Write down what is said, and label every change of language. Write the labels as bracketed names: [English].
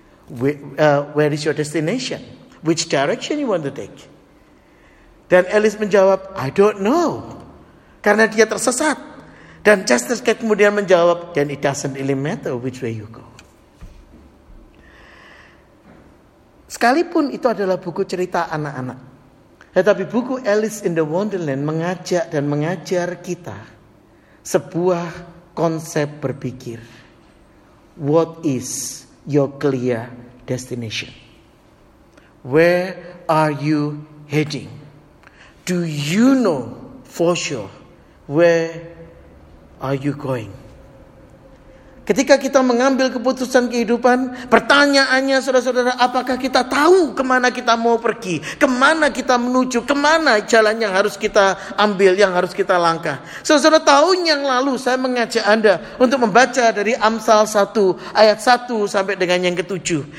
[English] Where is your destination? Which direction you want to take? [Indonesian] Dan Alice menjawab, [English] I don't know. [Indonesian] Karena dia tersesat. Dan Chester Cat kemudian menjawab, [English] then it doesn't really matter which way you go. [Indonesian] Sekalipun itu adalah buku cerita anak-anak, tetapi buku Alice in the Wonderland mengajak dan mengajar kita sebuah konsep berpikir. [English] What is your clear destination? Where are you heading? Do you know for sure where are you going? [Indonesian] Ketika kita mengambil keputusan kehidupan, pertanyaannya saudara-saudara, apakah kita tahu kemana kita mau pergi, kemana kita menuju, kemana jalan yang harus kita ambil, yang harus kita langkah. Saudara-saudara, tahun yang lalu saya mengajak Anda untuk membaca dari Amsal 1 ayat 1 sampai dengan yang ke-7.